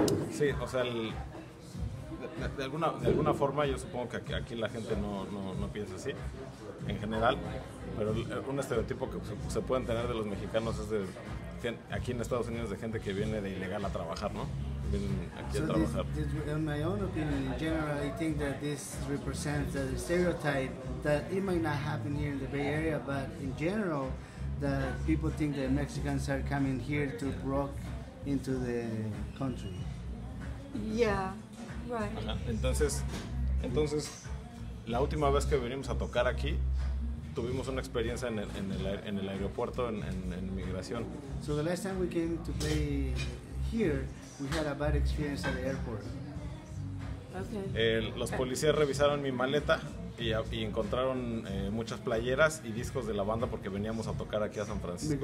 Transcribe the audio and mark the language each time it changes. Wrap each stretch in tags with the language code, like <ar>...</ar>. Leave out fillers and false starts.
<es>Sí, o sea, de alguna forma yo supongo que aquí la gente no piensa así, en general. Pero un estereotipo que se pueden tener de los mexicanos es de aquí en Estados Unidos, de gente que viene de ilegal a trabajar, ¿no? Vienen aquí</es> <en>so</en> <es>a trabajar. En mi opinión, en general,</es> <en>I think that this represents a stereotype that it might not happen here in the Bay Area, but in general, that people think that Mexicans are coming here to rock into the country. Yeah, right. Ajá.</en> <es>Entonces, la última vez que vinimos a tocar aquí, tuvimos una experiencia en el aeropuerto, en migración.</es> <en>So the last time we came to play here, we had a bad experience at the airport. Okay.</en> <es>Los policías revisaron mi maleta. Y encontraron muchas playeras y discos de la banda porque veníamos a tocar aquí a San Francisco.</es>